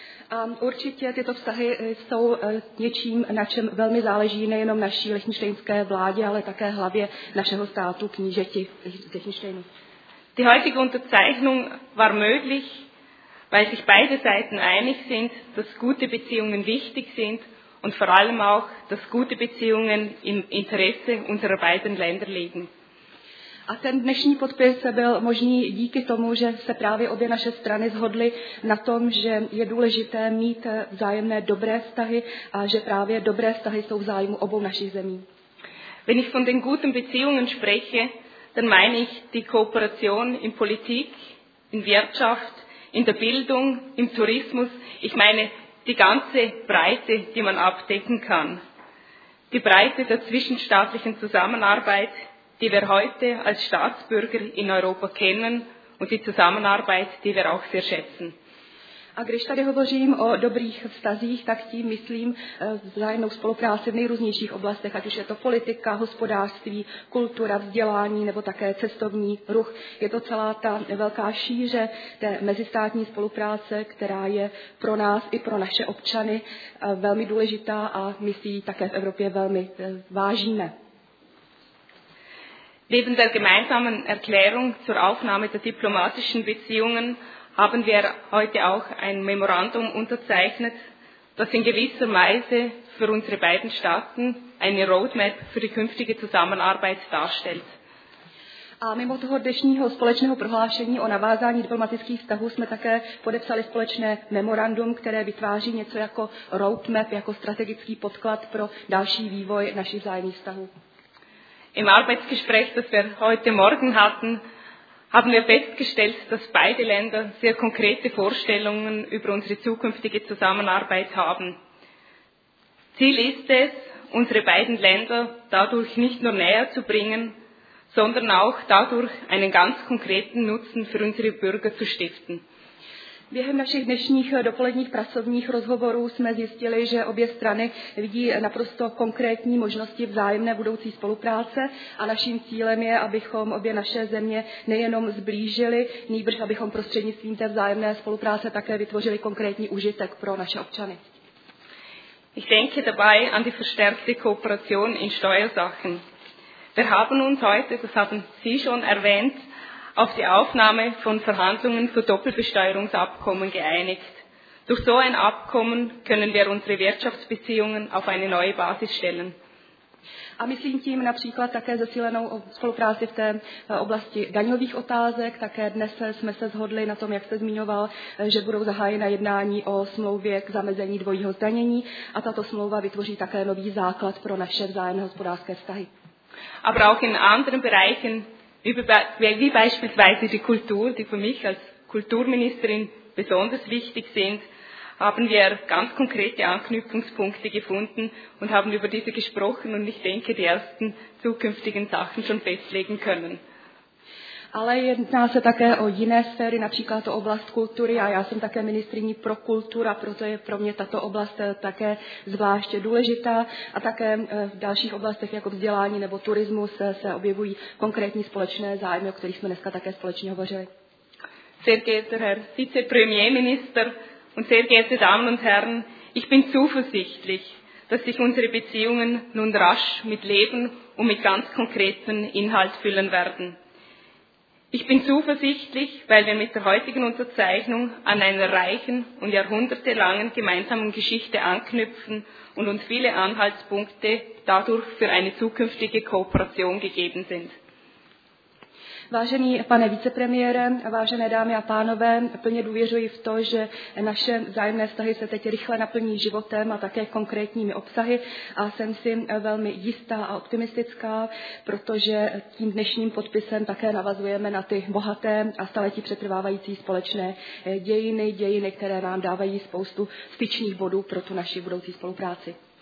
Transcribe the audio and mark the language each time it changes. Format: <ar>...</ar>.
<cs>A určitě tyto vztahy jsou něčím, na čem velmi záleží nejenom naší liechtensteinské vládě, ale také hlavě našeho státu knížeti Liechtensteinu.</cs> <de>Die heutige Unterzeichnung war möglich, weil sich beide Seiten einig sind, dass gute Beziehungen wichtig sind und vor allem auch, dass gute Beziehungen im Interesse unserer beiden Länder liegen.</de> <cs>A ten dnešní podpis byl možný díky tomu, že se právě obě naše strany shodly na tom, že je důležité mít vzájemné dobré vztahy a že právě dobré vztahy jsou v zájmu obou našich zemí.</cs> <de>Wenn ich von den guten Beziehungen spreche, dann meine ich die Kooperation in Politik, in Wirtschaft, in der Bildung, im Tourismus. Ich meine die ganze Breite, die man abdecken kann. die Breite der zwischenstaatlichen Zusammenarbeit, die wir heute als Staatsbürger in Europa kennen und die Zusammenarbeit, die wir auch sehr schätzen.</de> <cs>A když tady hovořím o dobrých vztazích, tak tím myslím vzájemnou spolupráci v nejrůznějších oblastech, ať už je to politika, hospodářství, kultura, vzdělání nebo také cestovní ruch. Je to celá ta velká šíře té mezistátní spolupráce, která je pro nás i pro naše občany velmi důležitá a my si ji také v Evropě velmi vážíme.</cs> <de>Neben der gemeinsamen Erklärung zur Aufnahme der diplomatischen Beziehungen haben wir heute auch ein Memorandum unterzeichnet, das in gewisser Weise für unsere beiden Staaten eine Roadmap für die künftige Zusammenarbeit darstellt.</de> <cs>A mimo toho dnešního společného prohlášení o navázání diplomatických vztahů jsme také podepsali společné memorandum, které vytváří něco jako roadmap, jako strategický podklad pro další vývoj našich vzájemných vztahů.</cs> <de>Im Arbeitsgespräch, das wir heute Morgen hatten, haben wir festgestellt, dass beide Länder sehr konkrete Vorstellungen über unsere zukünftige Zusammenarbeit haben. Ziel ist es, unsere beiden Länder dadurch nicht nur näher zu bringen, sondern auch dadurch einen ganz konkreten Nutzen für unsere Bürger zu stiften.</de> <cs>Během našich dnešních dopoledních pracovních rozhovorů jsme zjistili, že obě strany vidí naprosto konkrétní možnosti vzájemné budoucí spolupráce a naším cílem je, abychom obě naše země nejenom zblížili, nýbrž abychom prostřednictvím té vzájemné spolupráce také vytvořili konkrétní užitek pro naše občany.</cs> <de>Ich denke dabei an die verstärkte Kooperation in Steuersachen. Wir haben uns heute, das haben Sie schon erwähnt, auf die Aufnahme von Verhandlungen zu Doppelbesteuerungsabkommen geeinigt. Durch so ein Abkommen können wir unsere Wirtschaftsbeziehungen auf eine neue Basis stellen.</de> <cs>A myslím tím například také zasílenou spolupráci v té oblasti daňových otázek. Také dnes jsme se shodli na tom, jak jste zmiňoval, že budou zahájena jednání o smlouvě k zamezení dvojího zdanění a tato smlouva vytvoří také nový základ pro naše vzájemné hospodářské vztahy.</cs> <de>Aber auch in anderen Bereichen, wie beispielsweise die Kultur, die für mich als Kulturministerin besonders wichtig sind, haben wir ganz konkrete Anknüpfungspunkte gefunden und haben über diese gesprochen und ich denke, die ersten zukünftigen Sachen schon festlegen können.</de> <cs>Ale jedná se také o jiné sféry, například o oblast kultury a já jsem také ministryní pro kulturu, proto je pro mě tato oblast také zvláště důležitá a také v dalších oblastech jako vzdělání nebo turismus se objevují konkrétní společné zájmy, o kterých jsme dneska také společně hovořili.</cs> <de>Sehr geehrter Herr Vizepremierminister und sehr geehrte Damen und Herren, ich bin zuversichtlich, dass sich unsere Beziehungen nun rasch mit Leben und mit ganz konkreten Inhalt füllen werden. Ich bin zuversichtlich, weil wir mit der heutigen Unterzeichnung an einer reichen und jahrhundertelangen gemeinsamen Geschichte anknüpfen und uns viele Anhaltspunkte dadurch für eine zukünftige Kooperation gegeben sind.</de> <cs>Vážený pane vicepremiére, vážené dámy a pánové, plně důvěřuji v to, že naše vzájemné vztahy se teď rychle naplní životem a také konkrétními obsahy a jsem si velmi jistá a optimistická, protože tím dnešním podpisem také navazujeme na ty bohaté a staletí přetrvávající společné dějiny, které nám dávají spoustu styčných bodů pro tu naši budoucí spolupráci.</cs>